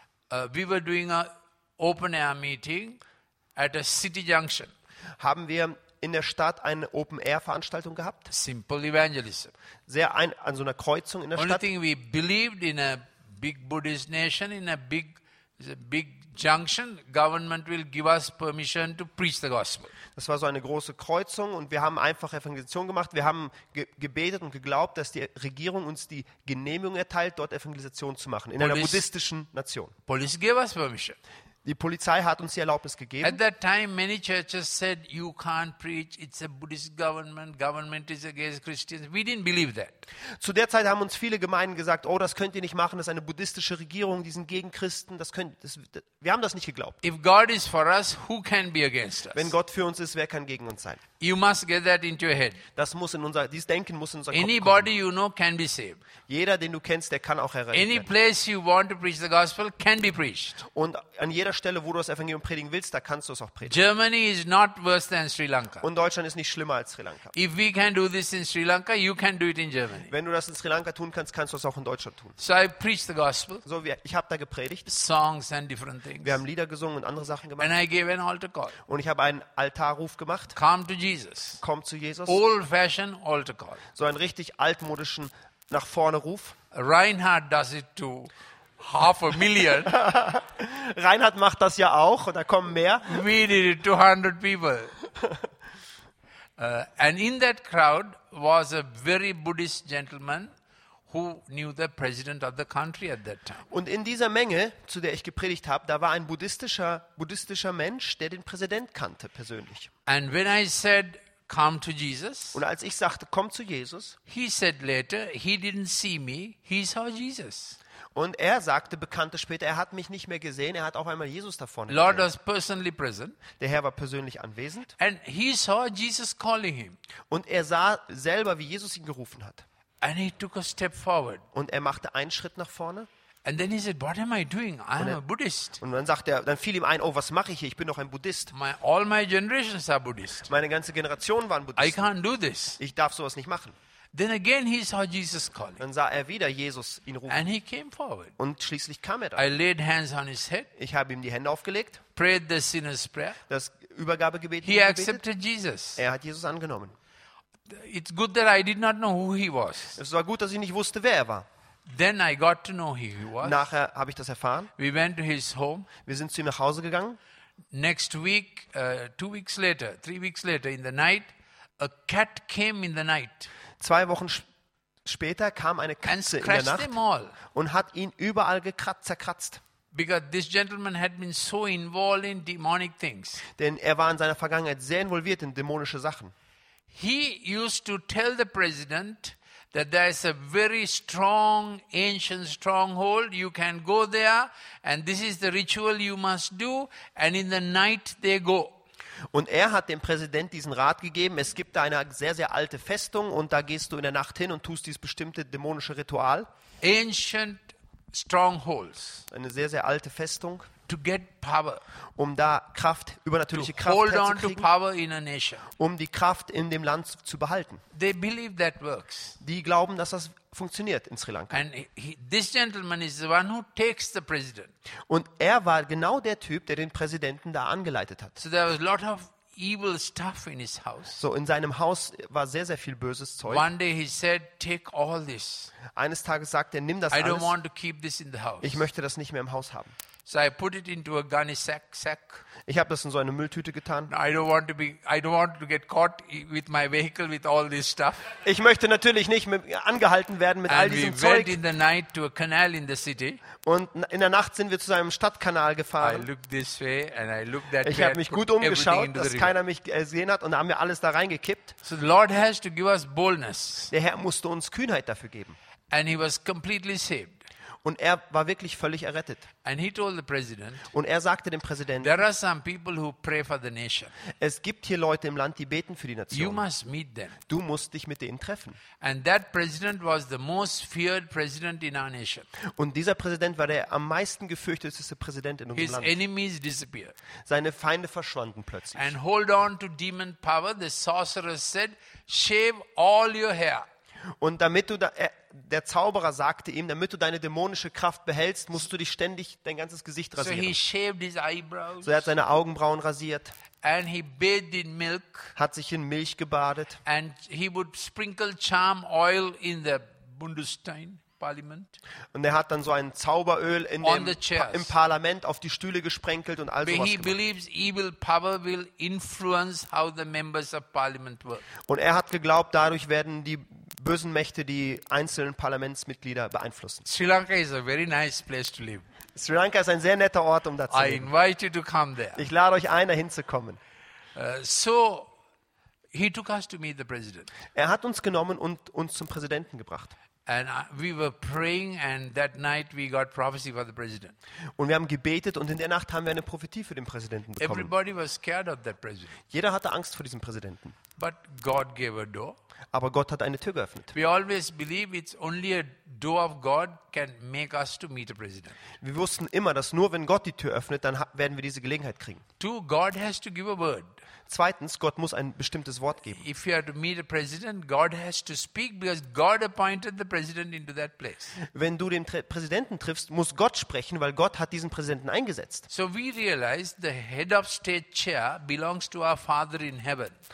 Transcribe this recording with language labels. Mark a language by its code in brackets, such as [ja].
[en] In 1992 we were doing an open air meeting at a city junction. [de] Haben wir in der Stadt eine Open Air Veranstaltung gehabt? [en] Simple evangelism. [de] Sehr an so einer Kreuzung in der [en] Only [de] Stadt. [en] Thing we believed in a big Buddhist nation in a big, big junction, government will give us permission to preach the gospel. [de] Das war so eine große Kreuzung und wir haben einfach Evangelisation gemacht. Wir haben gebetet und geglaubt, dass die Regierung uns die Genehmigung erteilt, dort Evangelisation zu machen, in einer buddhistischen Nation. [en] Police gave us permission. [de] Die Polizei hat uns die Erlaubnis gegeben. [en] At that time many churches said, you can't preach, it's a Buddhist government, government is against Christians. We didn't believe that. [de] Zu der Zeit haben uns viele Gemeinden gesagt, oh, das könnt ihr nicht machen, das ist eine buddhistische Regierung, die sind gegen Christen. Wir haben das nicht geglaubt. [en] If God is for us, who can be against us? [de] Wenn Gott für uns ist, wer kann gegen uns sein? [en] You must get that into your head. [de] Dieses Denken muss in unser [en] Anybody [de] Kopf kommen. [en] Anybody you know can be saved. [de] Jeder, den du kennst, der kann auch errettet [en] werden. Any place you want to preach the gospel can be preached. [de] Und an jeder Stelle, wo du das Evangelium predigen willst, da kannst du es auch predigen. [en] Germany is not worse than Sri Lanka. [de] Und Deutschland ist nicht schlimmer als Sri Lanka. [en] If we can do this in Sri Lanka, you can do it in Germany. [de] Wenn du das in Sri Lanka tun kannst, kannst du es auch in Deutschland tun. [en] So I preached the gospel. [de] So wie ich habe da gepredigt. [en] Songs and different things. [de] Wir haben Lieder gesungen und andere Sachen gemacht. [en] And I gave an altar call. [de] Und ich habe einen Altarruf gemacht. [en] Come to Jesus. [de] Komm zu Jesus. [en] Old fashioned altar call. [de] So einen richtig altmodischen nach vorne Ruf. [en] Reinhard does it too. Half a million. [de] Reinhard macht das ja auch und da kommen mehr. [en] We did it, 200 people. And in that crowd was a very Buddhist gentleman who knew the president of the country at that time. [de] Und in dieser Menge, zu der ich gepredigt habe, da war ein buddhistischer Mensch, der den Präsident kannte persönlich. [en] And when I said, come to Jesus. [de] Und als ich sagte, komm zu Jesus. [en] He said later, he didn't see me, he saw Jesus. [de] Und er sagte, bekannte später, er hat mich nicht mehr gesehen, er hat auf einmal Jesus da vorne gesehen. [en] Lord was personally present. [de] Der Herr war persönlich anwesend. [en] And he saw Jesus calling him. [de] Und er sah selber, wie Jesus ihn gerufen hat. [en] And he took a step forward. [de] Und er machte einen Schritt nach vorne. [en] And then he said, what am I doing? I'm a Buddhist. [de] Und dann sagt er, dann fiel ihm ein, oh, was mache ich hier? Ich bin doch ein Buddhist. [en] All my generations are Buddhist. [de] Meine ganze Generation waren Buddhisten. [en] I can't do this. [de] Ich darf sowas nicht machen. [en] Then again he saw Jesus calling. [de] Dann sah er wieder Jesus ihn rufen. [en] And he came forward. [de] Und schließlich kam er da. [en] I laid hands on his head. [de] Ich habe ihm die Hände aufgelegt. [en] Prayed the sinner's prayer. [de] Das Übergabegebet. [en] He accepted Jesus. [de] Er hat Jesus angenommen. [en] It's good that I did not know who he was. [de] Es war gut, dass ich nicht wusste, wer er war. [en] Then I got to know who he was. [de] Nachher habe ich das erfahren. [en] We went to his home. [de] Wir sind zu ihm nach Hause gegangen. [en] Next week, 2 weeks later, 3 weeks later, in the night, a cat came in the night. [de] 2 Wochen später kam eine Katze in der Nacht und hat ihn überall gekratzt, zerkratzt. [en] Because this gentleman had been so involved in demonic things. [de] Denn er war in seiner Vergangenheit sehr involviert in dämonische Sachen. [en] He used to tell the president that there is a very strong ancient stronghold. You can go there and this is the ritual you must do. And in the night they go. [de] Und er hat dem Präsident diesen Rat gegeben, es gibt da eine sehr, sehr alte Festung und da gehst du in der Nacht hin und tust dieses bestimmte dämonische Ritual. [en] Ancient strongholds. [de] Eine sehr, sehr alte Festung. [en] To get power. [de] Um da Kraft, übernatürliche Kraft herzukriegen. [en] To hold on to power in a nation. [de] Um die Kraft in dem Land zu behalten. [en] They believe that works. [de] Die glauben, dass das funktioniert in Sri Lanka. [en] And this gentleman is the one who takes the president. [de] Und er war genau der Typ, der den Präsidenten da angeleitet hat. [en] So there was a lot of evil stuff in his house. [de] So in seinem Haus war sehr, sehr viel böses Zeug. [en] One day he said, take all this. [de] Eines Tages sagte er, nimm das [en] I [de] alles. [en] Don't want to keep this in the house. [de] Ich möchte das nicht mehr im Haus haben. [en] So I put it into a gunny sack. [de] Ich habe das in so eine Mülltüte getan. [en] I don't want to get caught with my vehicle with all this stuff. [de] Ich möchte natürlich nicht angehalten werden mit [en] and [de] all diesem [en] we [de] Zeug. [en] Went in the night to a canal in the city. [de] Und in der Nacht sind wir zu einem Stadtkanal gefahren. [en] I looked this way and I looked that way. [de] Ich habe mich gut umgeschaut, dass keiner mich gesehen hat und da haben wir alles da reingekippt. [en] So the Lord has to give us boldness. [de] Der Herr musste uns Kühnheit dafür geben. [en] And he was completely saved. [de] Und er war wirklich völlig errettet. [en] And he told the president, [de] und er sagte dem Präsidenten, [en] there are some people who pray for the nation. [de] Es gibt hier Leute im Land, die beten für die Nation. [en] You must meet them. [de] Du musst dich mit denen treffen. [en] And that president was the most feared president in our nation. [de] Und dieser Präsident war der am meisten gefürchteteste Präsident in unserem [en] His [de] Land. [en] Enemies disappeared. [de] Seine Feinde verschwanden plötzlich. [en] And hold on to demon power, the sorcerer said, shave all your hair. [de] Und damit du der Zauberer sagte ihm, damit du deine dämonische Kraft behältst, musst du dich ständig dein ganzes Gesicht rasieren. [en] So, he shaved his eyebrows, [de] so er hat seine Augenbrauen rasiert. [en] And he bathed in milk, [de] hat sich in Milch gebadet. [en] And he would sprinkle charm oil in the Bundestein. parliament. [de] Und er hat dann so ein Zauberöl in im Parlament auf die Stühle gesprenkelt und all sowas gemacht. [en] He believes evil power will influence how the members of parliament work. [de] Und er hat geglaubt, dadurch werden die bösen Mächte die einzelnen Parlamentsmitglieder beeinflussen. [en] Sri Lanka is a very nice place to live. [de] Sri Lanka ist ein sehr netter Ort, um da zu leben. [en] I invite you to come there. [de] Ich lade euch ein, da hinzukommen. [en] So he took us to meet the president. [de] Er hat uns genommen und uns zum Präsidenten gebracht. [en] And we were praying and that night we got prophecy for the president. [de] Und wir haben gebetet und in der Nacht haben wir eine Prophetie für den Präsidenten bekommen. [en] Everybody was scared of that president. [de] Jeder hatte Angst vor diesem Präsidenten. [en] But God gave a door. [de] Aber Gott hat eine Tür geöffnet. [en] We always believe it's only a door of God can make us to meet a president. [de] Wir wussten immer, dass nur wenn Gott die Tür öffnet, dann werden wir diese Gelegenheit kriegen. [en] Two, God has to give a word. [de] Zweitens, Gott muss ein bestimmtes Wort geben. [en] If you are to meet a president, God has to speak because God appointed the president into that place. [de] Wenn du den Präsidenten triffst, muss Gott sprechen, weil Gott hat diesen Präsidenten eingesetzt. [en] So we realize the head of state chair belongs to our Father in heaven.